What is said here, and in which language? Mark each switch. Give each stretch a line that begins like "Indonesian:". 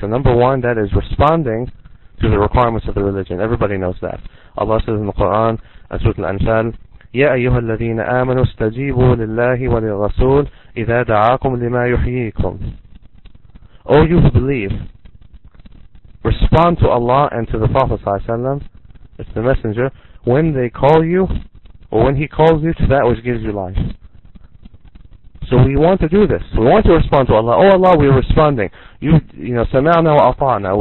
English: And number one, that is responding to the requirements of the religion. Everybody knows that. Allah says in the Quran, Surah Al-Anfal,
Arabic: يَا أَيُّهَا الَّذِينَ آمَنُوا اسْتَجِيبُوا لِلَّهِ وَلِلْرَسُولِ إِذَا دَعَاكُمْ لِمَا يُحْيِيكُمْ.
English: O you who believe, respond to Allah and to the Prophet ﷺ, it's the messenger, when they call you, or when he calls you to that which gives you life. So we want to do this. We want to respond to Allah. Oh Allah, we're responding. You know,
Arabic: سَمَعْنَا وَأَطَعْنَا.